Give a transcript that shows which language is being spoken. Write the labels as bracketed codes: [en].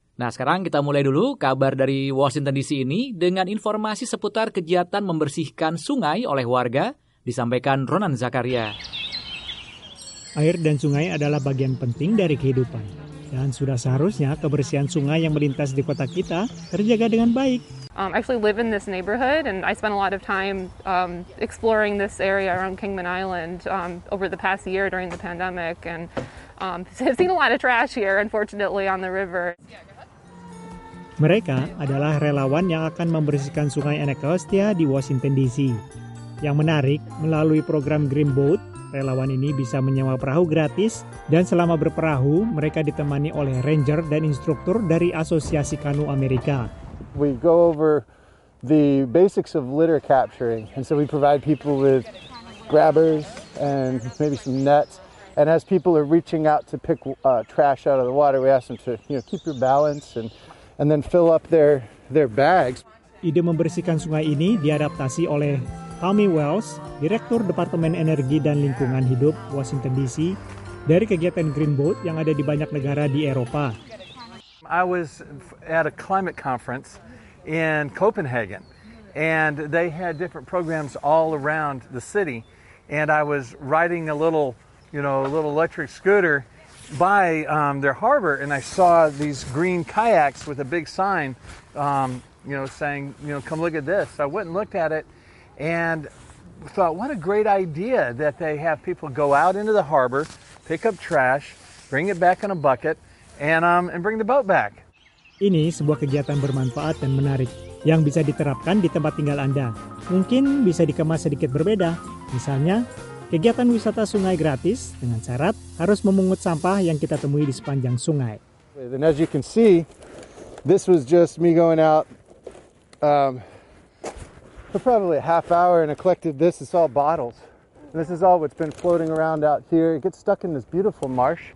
[id] Nah, sekarang kita mulai dulu kabar dari Washington DC ini dengan informasi seputar kegiatan membersihkan sungai oleh warga, disampaikan Ronan Zakaria. Air dan sungai adalah bagian penting dari kehidupan. Dan sudah seharusnya kebersihan sungai yang melintas di kota kita terjaga dengan baik. [en] I actually live in this neighborhood and I spent a lot of time exploring this area around Kingman Island over the past year during the pandemic and I've seen a lot of trash here unfortunately on the river. [id] Mereka adalah relawan yang akan membersihkan Sungai Anacostia di Washington DC. Yang menarik, melalui program Green Boat, relawan ini bisa menyewa perahu gratis dan selama berperahu mereka ditemani oleh ranger dan instruktur dari Asosiasi Kanu Amerika. [en] We go over the basics of litter capturing and so we provide people with grabbers and maybe some nets and as people are reaching out to pick trash out of the water we ask them to keep your balance and then fill up their bags. [id] Ide membersihkan sungai ini diadaptasi oleh Tommy Wells, Direktur Departemen Energi dan Lingkungan Hidup Washington DC, dari kegiatan Green Boat yang ada di banyak negara di Eropa. [en] I was at a climate conference in Copenhagen and they had different programs all around the city and I was riding a little, a little electric scooter by their harbor and I saw these green kayaks with a big sign saying, come look at this. So I went and looked at it. And thought, what a great idea that they have people go out into the harbor, pick up trash, bring it back in a bucket, and bring the boat back. [id] Ini sebuah kegiatan bermanfaat dan menarik yang bisa diterapkan di tempat tinggal Anda. Mungkin bisa dikemas sedikit berbeda. Misalnya, kegiatan wisata sungai gratis dengan syarat harus memungut sampah yang kita temui di sepanjang sungai. [en] And as you can see, this was just me going out. For probably a half hour and I collected this, it's all bottles. And this is all what's been floating around out here. It gets stuck in this beautiful marsh.